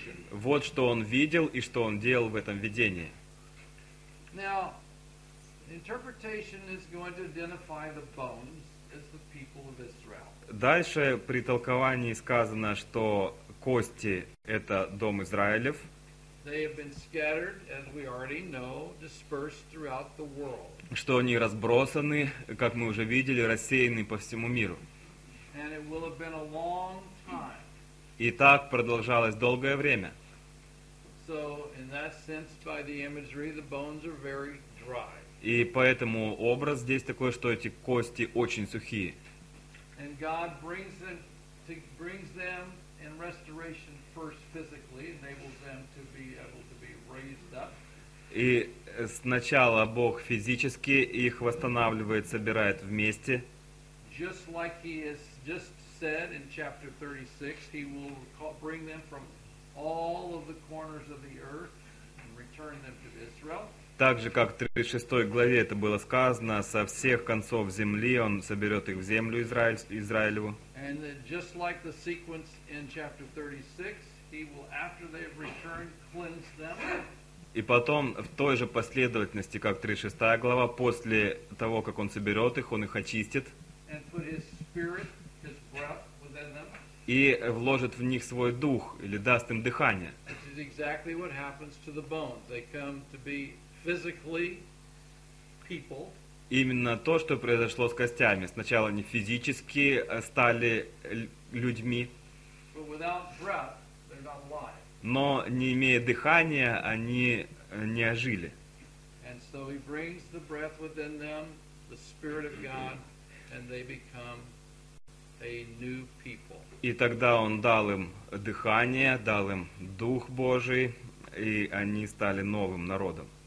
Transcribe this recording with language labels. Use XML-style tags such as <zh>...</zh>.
<ru>Вот что он видел и что он делал в этом видении.</ru> <en>Now, interpretation is going to identify the bones as the people of Israel.</en> <ru>Дальше при толковании сказано, что кости — это дом Израилев.</ru> <en>They have been scattered, as we already know, dispersed throughout the world.</en> <ru>Что они разбросаны, как мы уже видели, рассеяны по всему миру.</ru> <en>And it will have been a long time.</en> <ru>И так продолжалось долгое время.</ru> <en>So, in that sense, by the imagery, the bones are very dry.</en> <ru>И поэтому образ здесь такой, что эти кости очень сухие.</ru> <en>And God brings them in restoration first physically, enables them to be able to be raised up.</en> <ru>И сначала Бог физически их восстанавливает, собирает вместе.</ru> <en>Just like he has just said in chapter 36, he will bring them from all of the corners of the earth and return them to Israel.</en> <ru>Так же, как в 36 главе это было сказано, со всех концов земли он соберет их в землю Израилеву.</ru> <en>And just like the sequence in chapter 36, he will, after they have returned, cleanse them.</en> <ru>И потом, в той же последовательности, как 36 глава, после того, как он соберет их, он их очистит.</ru> <en>And put his spirit, his breath within them.</en> <ru>И вложит в них свой дух, или даст им дыхание.</ru> <en>This is exactly what happens to the bones. They come to be physically people.</en> <ru>именно то, что произошло с костями. Сначала они физически стали людьми.</ru> <en>But without breath, they're not alive.</en> <ru>Но не имея дыхания, они не ожили.</ru> <en>And so he brings the breath within them, the Spirit of God, and they become a new people.</en> <ru>И тогда он дал им дыхание, дал им Дух Божий, и они стали новым народом.</ru>